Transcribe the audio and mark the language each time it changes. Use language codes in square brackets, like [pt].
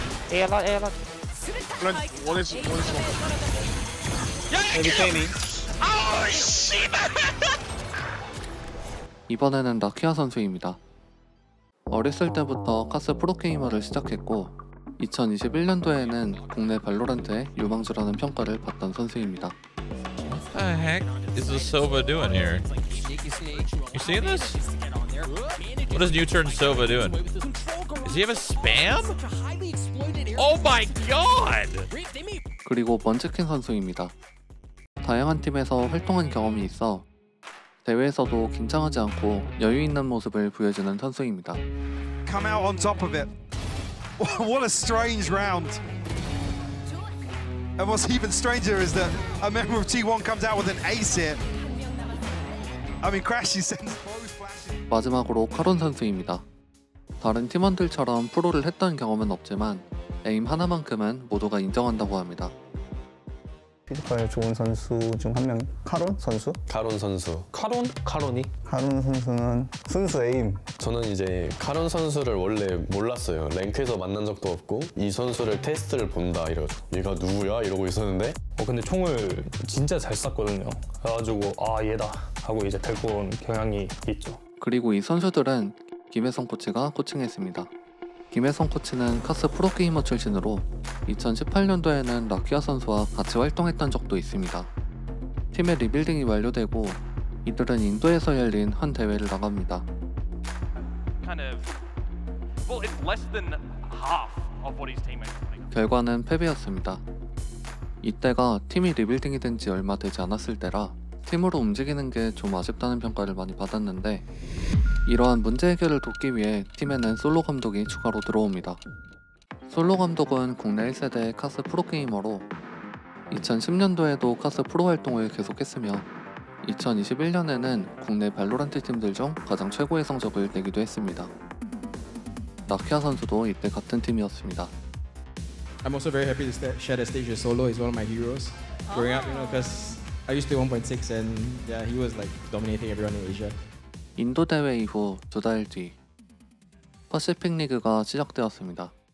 [en] Alright. [ko] 이번에는 라키아 선수입니다. 어렸을 때부터 카스 프로게이머를 시작했고 2021년도에는 국내 발로란트의 유망주라는 평가를 받던 선수입니다. [en] What the heck is the Sova doing here? You see this? What is new turn Sova doing? Does he have a spam? Oh my god! [ko] 그리고 번지킹 선수입니다. 다양한 팀에서 활동한 경험이 있어 대회에서도 긴장하지 않고 여유 있는 모습을 보여주는 선수입니다. [en] Come out on top of it. What a strange round. And what's even stranger is that a member of T1 comes out with an ace hit. I mean, Crash, he sends both flashes. [ko] 마지막으로 카론 선수입니다. 다른 팀원들처럼 프로를 했던 경험은 없지만 에임 하나만큼은 모두가 인정한다고 합니다. 피지컬 좋은 선수 중 한 명 카론 선수? 카론 선수. 카론? 카론이? 카론 선수는 순수 에임. 저는 이제 카론 선수를 원래 몰랐어요. 랭크에서 만난 적도 없고 이 선수를 테스트를 본다 이러죠. 얘가 누구야? 이러고 있었는데 근데 총을 진짜 잘 쐈거든요. 그래가지고 아 얘다 하고 이제 데리고 온 경향이 있죠. 그리고 이 선수들은 김혜성 코치가 코칭했습니다. 김혜성 코치는 카스 프로게이머 출신으로 2018년도에는 라키아 선수와 같이 활동했던 적도 있습니다. 팀의 리빌딩이 완료되고 이들은 인도에서 열린 한 대회를 나갑니다. [en] Kind of, well, it's less than half of what his teammates are playing. [ko] 결과는 패배였습니다. 이때가 팀이 리빌딩이 된 지 얼마 되지 않았을 때라 팀으로 움직이는 게 좀 아쉽다는 평가를 많이 받았는데 이러한 문제 해결을 돕기 위해 팀에는 솔로 감독이 추가로 들어옵니다. 솔로 감독은 국내 1세대 카스 프로게이머로 2010년도에도 카스 프로 활동을 계속했으며 2021년에는 국내 발로란트 팀들 중 가장 최고의 성적을 내기도 했습니다. 나키아 선수도 이때 같은 팀이었습니다. [en] I'm also very happy to share the stage with Solo. He's one of my heroes growing up, you know, because I used to be 1.6 and yeah, he was like dominating everyone in Asia. [ko] 인도 대회 이후 두 달 뒤 퍼시픽 리그가 시작되었습니다.